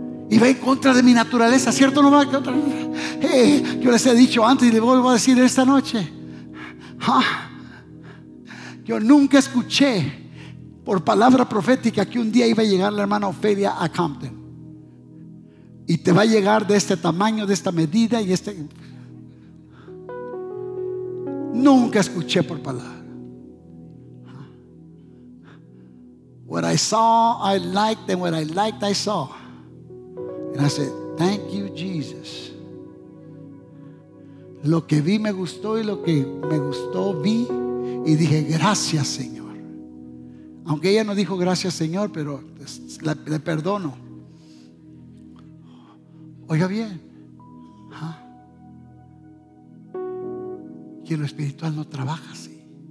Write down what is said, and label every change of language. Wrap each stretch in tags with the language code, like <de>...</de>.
<es>Y va en contra de mi naturaleza, ¿cierto o no? Hey, yo les he dicho antes y les vuelvo a decir esta noche: yo nunca escuché por palabra profética que un día iba a llegar la hermana Ofelia a Compton. Y te va a llegar de este tamaño, de esta medida y este. Nunca escuché por palabra.</es> <en>What I saw, I liked, and what I liked, I saw. And I said, thank you, Jesus.</en> <es>Lo que vi me gustó, y lo que me gustó vi, y dije, gracias, Señor. Aunque ella no dijo gracias, Señor, pero le perdono. Oiga bien, que lo espiritual no trabaja así.</es>